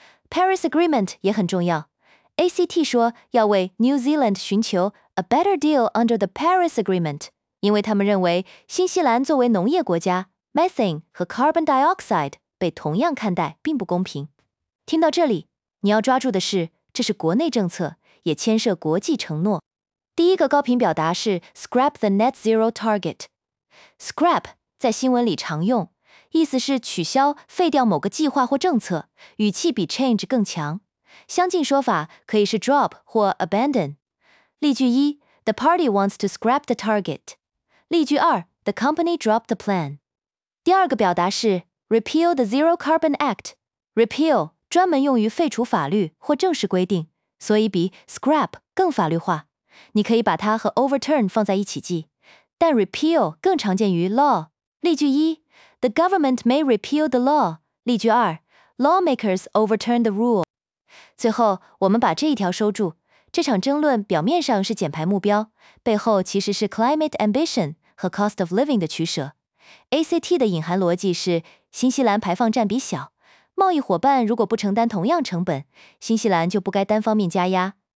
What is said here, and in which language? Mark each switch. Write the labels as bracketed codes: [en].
[zh] Paris Agreement 也很重要， ACT 说要为 New Zealand 寻求 [en] a better deal under the Paris Agreement， [zh] 因为他们认为新西兰作为农业国家， methane 和 carbon dioxide被同样看待并不公平。听到这里，你要抓住的是，这是国内政策，也牵涉国际承诺。第一个高频表达是 [en] scrap the net zero target。 [zh] scrap 在新闻里常用，意思是取消、废掉某个计划或政策，语气比 change 更强。相近说法可以是 drop 或 abandon。例句一， [en] The party wants to scrap the target。 [zh] 例句二， [en] The company dropped the plan。 [zh] 第二个表达是 [en] Repeal the Zero Carbon Act。 [zh] Repeal 专门用于废除法律或正式规定，所以比 scrap 更法律化。你可以把它和 overturn 放在一起记，但 repeal 更常见于 law。例句一， [en] The government may repeal the law。 [zh] 例句二， [en] Lawmakers overturn the rule。 [zh] 最后我们把这一条收住，这场争论表面上是减排目标，背后其实是 [en] climate ambition [zh] 和 [en] cost of living [zh] 的取舍。 ACT 的隐含逻辑是新西兰排放占比小，贸易伙伴如果不承担同样成本，新西兰就不该单方面加压。